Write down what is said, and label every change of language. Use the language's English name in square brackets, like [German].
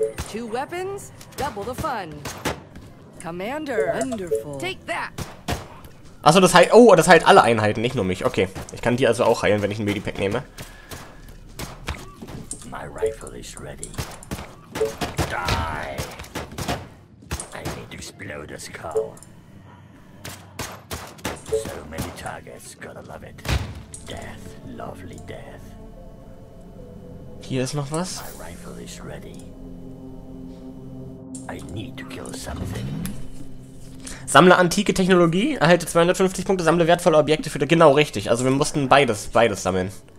[English] Two weapons, double the fun. Commander, wonderful. Take that. [German] Achso, das heilt. Oh, das heilt alle Einheiten, nicht nur mich. Okay. Ich kann die also auch heilen, wenn ich ein Medipack nehme. [English] My rifle is ready. Die. I need to explode this car. So many targets, gotta love it. Death, lovely death. [German] Hier ist noch was. [English] My rifle is ready. I need to kill something. [German] Sammle antike Technologie, erhalte 250 Punkte, sammle wertvolle Objekte für die... Genau, richtig. Also wir mussten beides sammeln.